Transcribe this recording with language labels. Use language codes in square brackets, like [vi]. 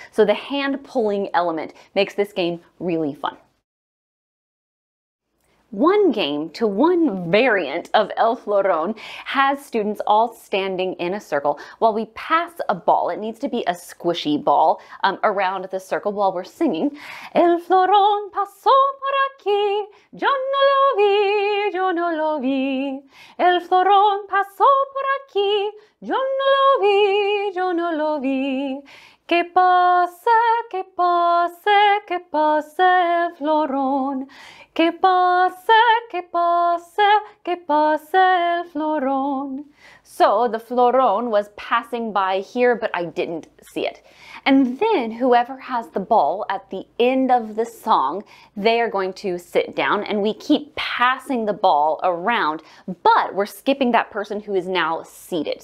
[en] So the hand pulling element makes this game really fun. One game to one variant of El Florón has students all standing in a circle while we pass a ball. It needs to be a squishy ball around the circle while we're singing. [es] El Florón pasó por aquí, yo no lo vi, yo no lo vi. El Florón pasó por aquí, yo no lo vi, yo no lo vi. Que pase, que pase, que pase el florón. Que pase, que pase, que pase el florón. [en] So the florón was passing by here, but I didn't see it. And then whoever has the ball at the end of the song, they are going to sit down and we keep passing the ball around, but we're skipping that person who is now seated.